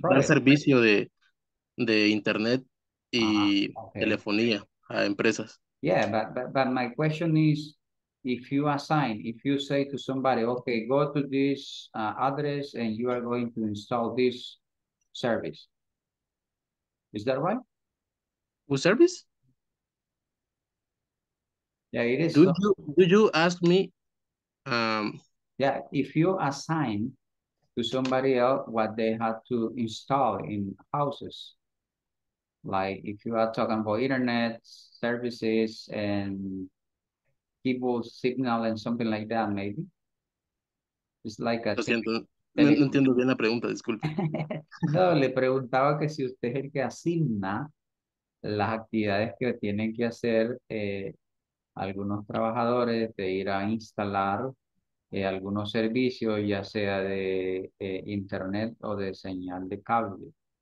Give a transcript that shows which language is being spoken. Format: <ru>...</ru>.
<es>para servicio de internet y telefonía a empresas.</es> <en>Yeah, but my question is, if you say to somebody, okay, go to this address and you are going to install this service. Is that right? What service? Yeah, it is. Do you ask me? Yeah, if you assign to somebody else what they have to install in houses, Like if you are talking about internet services and people signal and something like that, maybe. It's like a...</en> <es>Lo siento, no entiendo bien la pregunta, disculpe. No, le preguntaba que si usted es el que asigna las actividades que tienen que hacer algunos trabajadores de ir a instalar algunos servicios, ya sea de internet o de señal de cable.</es>